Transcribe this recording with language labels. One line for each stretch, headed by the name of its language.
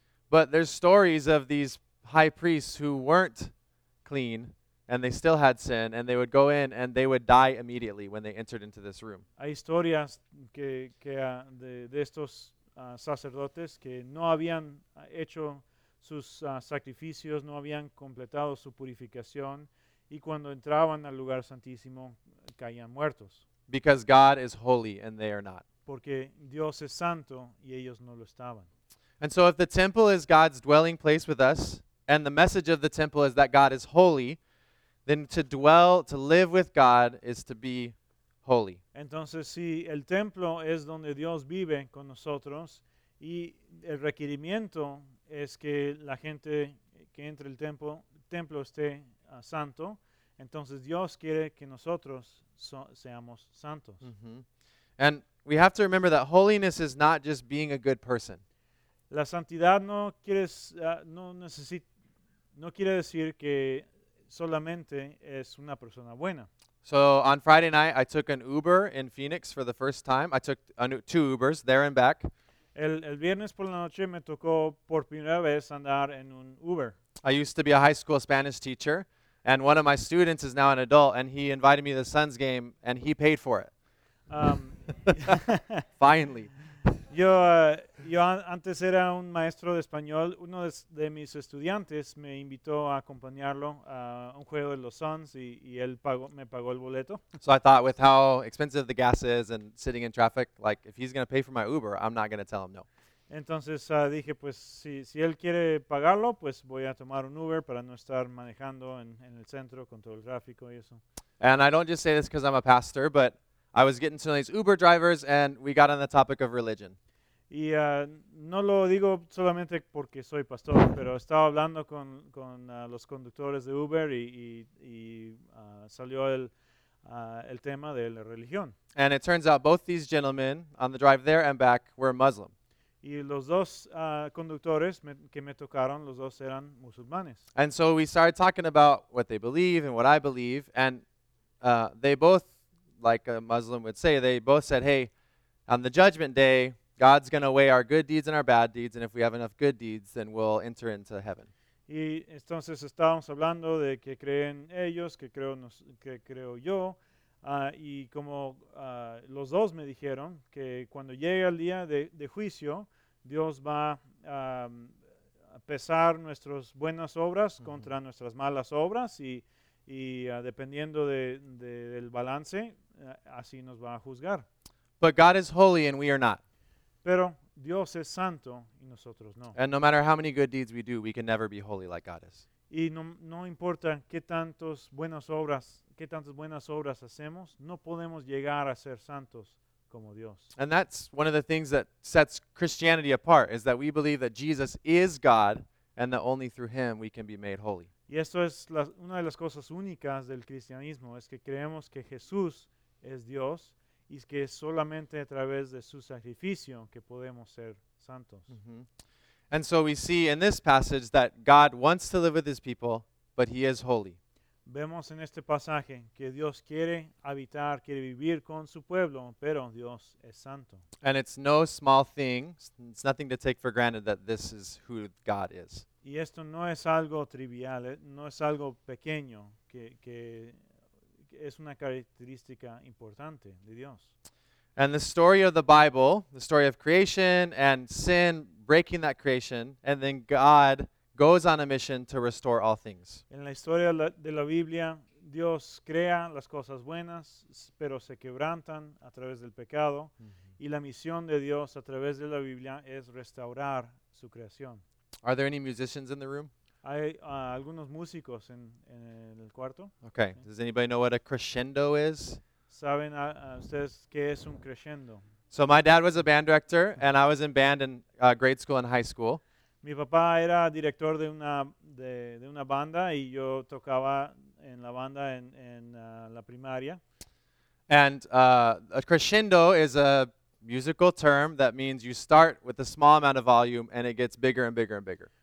English: But there's stories of these high priests who weren't clean and they still had sin, and they would go in and they would die immediately when they entered into this room.
Spanish: Hay historias de estos sacerdotes que no habían hecho sus sacrificios, no habían completado su purificación, y cuando entraban al lugar santísimo caían muertos.
English: Because God is holy and they are not.
Spanish: Porque Dios es santo y ellos no lo estaban.
English: And so if the temple is God's dwelling place with us, and the message of the temple is that God is holy, then to live with God is to be holy.
Spanish: Entonces, si el templo es donde Dios vive con nosotros, y el requerimiento es que la gente que entre el templo esté santo, entonces Dios quiere que nosotros seamos santos. Mm-hmm.
English: And we have to remember that holiness is not just being a good person.
Spanish: La santidad no quiere decir que solamente es una persona buena.
English: So on Friday night, I took an Uber in Phoenix for the first time. I took two Ubers there and back.
Spanish: El viernes por la noche me tocó por primera vez andar en un Uber.
English: I used to be a high school Spanish teacher, and one of my students is now an adult, and he invited me to the Suns game, and he paid for it. Finally.
Spanish: Yo antes era un maestro de español. Uno de mis estudiantes me invitó a acompañarlo a un juego de los Suns, y él me pagó el boleto.
English: So I thought, with how expensive the gas is and sitting in traffic, like, if he's going to pay for my Uber, I'm not going to tell him no.
Spanish: Entonces dije, pues si él quiere pagarlo, pues voy a tomar un Uber para no estar manejando en el centro con todo el tráfico y eso.
English: And I don't just say this because I'm a pastor, but I was getting to know these Uber drivers, and we got on the topic of religion.
Spanish: Y no lo digo solamente porque soy pastor, pero estaba hablando con los conductores de Uber y salió el tema de la religión.
English: And it turns out both these gentlemen on the drive there and back were Muslim.
Spanish: Y los dos conductores que me tocaron, los dos eran musulmanes.
English: And so we started talking about what they believe and what I believe, and they both, like a Muslim would say, they both said, hey, on the judgment day, God's going to weigh our good deeds and our bad deeds, and if we have enough good deeds, then we'll enter into heaven.
Spanish: Y entonces estábamos hablando de que creen ellos, que creo, nos, que creo yo, y como los dos me dijeron que cuando llegue el día de juicio, Dios va a pesar nuestras buenas obras mm-hmm. contra nuestras malas obras, y dependiendo del balance, así nos va a juzgar.
English: But God is holy and we are not.
Spanish: Pero Dios es santo y nosotros no.
English: And no matter how many good deeds we do, we can never be holy like God is.
Spanish: Y no importa qué tantas buenas obras hacemos, no podemos llegar a ser santos como Dios.
English: And that's one of the things that sets Christianity apart, is that we believe that Jesus is God and that only through him we can be made holy.
Spanish: Y esto es una de las cosas únicas del cristianismo, es que creemos que Jesús es Dios y que es solamente a través de su sacrificio que podemos ser santos. Mm-hmm.
English: And so we see in this passage that God wants to live with his people, but he is holy.
Spanish: Vemos en este pasaje que Dios quiere habitar, quiere vivir con su pueblo, pero Dios es santo.
English: And it's no small thing, it's nothing to take for granted that this is who God is.
Spanish: Y esto no es algo trivial, no es algo pequeño, que es una característica importante de Dios.
English: And the story of the Bible, the story of creation and sin breaking that creation, and then God goes on a mission to restore all things.
Spanish: En la historia de la Biblia, Dios crea las cosas buenas, pero se quebrantan a través del pecado, mm-hmm. y la misión de Dios a través de la Biblia es restaurar su creación.
English: Are there any musicians in the room?
Spanish: Hay algunos músicos en el cuarto.
English: Okay. Okay. Does anybody know what a crescendo is?
Spanish: ¿Saben ustedes qué es un crescendo?
English: So my dad was a band director, and I was in band in grade school and high school.
Spanish: Mi papá era director de una banda, y yo tocaba en la banda en la primaria.
English: And a crescendo is a musical term that means you start with a small amount of volume, and it gets bigger and bigger and bigger.